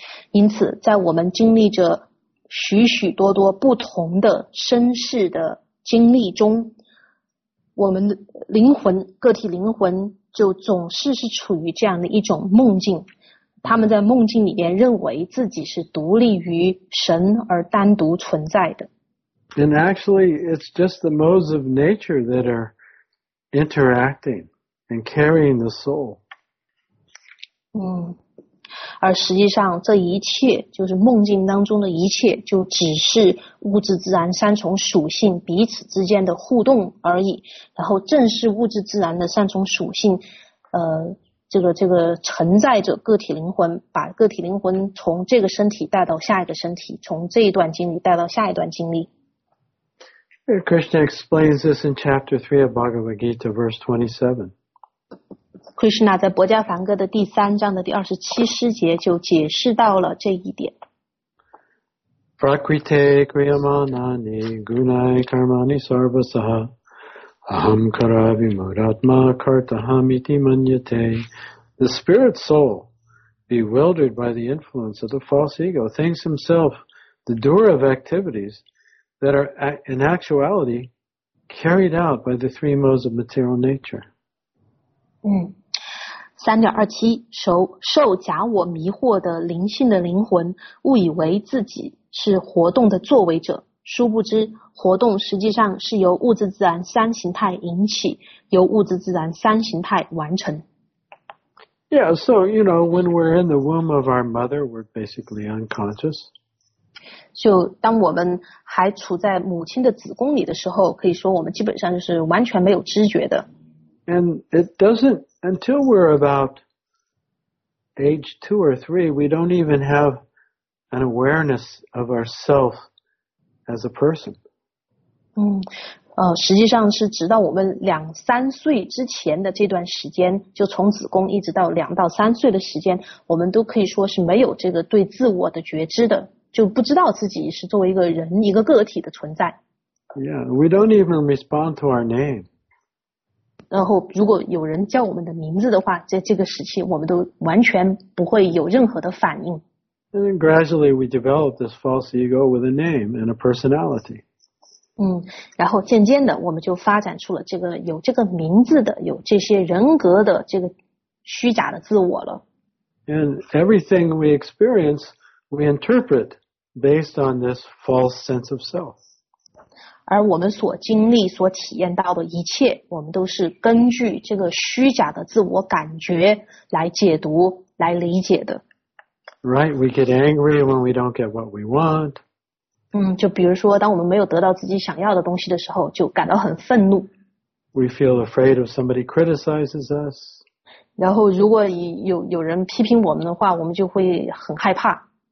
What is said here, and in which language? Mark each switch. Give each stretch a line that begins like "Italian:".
Chinese: 因此在我们经历着许许多多不同的身世的经历中，我们的灵魂，个体灵魂就总是处于这样的一种梦境。他们在梦境里面认为自己是独立于神而单独存在的。
English: And actually, it's just the modes of nature that are interacting and carrying the soul.
Chinese: 而实际上这一切就是梦境当中的一切，就只是物质自然三重属性彼此之间的互动而已。然后正是物质自然的三重属性，这个承载着个体灵魂，把个体灵魂从这个身体带到下一个身体，从这一段经历带到下一段经历。
English: Krishna explains this in chapter 3 of Bhagavad Gita, verse 27.
Chinese: Krishna 在薄伽梵歌的第三章的第二十七诗节就解释到了这一点。
Sanskrit: Prakrite kriyamanani gunai karmani sarvasaha. Aham karabhi muratma kartaham iti manyate.
English: The spirit soul, bewildered by the influence of the false ego, thinks himself the doer of activities that are in actuality carried out by the three modes of material nature.
Chinese: 3.27, 受假我迷惑的灵性的灵魂误以为自己是活动的作为者。殊不知活动实际上是由物质自然三形态引起，由物质自然三形态完成。
English: Yeah, so, you know, when we're in the womb of our mother, we're basically unconscious.
Chinese: 就当我们还处在母亲的子宫里的时候，可以说我们基本上就是完全没有知觉的。
English: And it doesn't, until we're about age 2 or 3, we don't even have an awareness of ourself as a person.
Chinese: 实际上是直到我们2、3岁之前的这段时间，就从子宫一直到2到3岁的时间，我们都可以说是没有这个对自我的觉知的，就不知道自己是作为一个人，一个个体的存在。
English: Yeah, we don't even respond to our name.
Chinese: 然后如果有人叫我们的名字的话，在这个时期我们都完全不会有任何的反应。
English: And then gradually we develop this false ego with a name and a personality.
Chinese: 然后渐渐的我们就发展出了这个有这个名字的，有这些人格的这个虚假的自我了。
English: And everything we experience, we interpret based on this false sense of self.
Chinese: 而我们所经历所体验到的一切，我们都是根据这个虚假的自我感觉来解读来理解的。
English: Right, we get angry when we don't get what we want.
Chinese: 就比如说当我们没有得到自己想要的东西的时候就感到很愤怒。
English: We feel afraid if somebody criticizes us.
Chinese: 然后如果有人批评我们的话我们就会很害怕。